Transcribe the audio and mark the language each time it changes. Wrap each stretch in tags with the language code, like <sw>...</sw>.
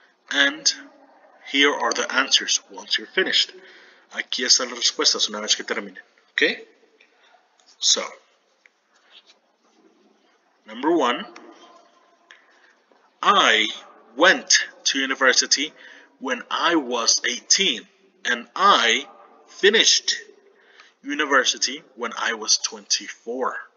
<en>And here are the answers once you're finished.</en> <es>Aquí están las respuestas una vez que terminen. Ok.</es> <en>So, number one, I went to university when I was 18, and I finished university when I was 24.</en>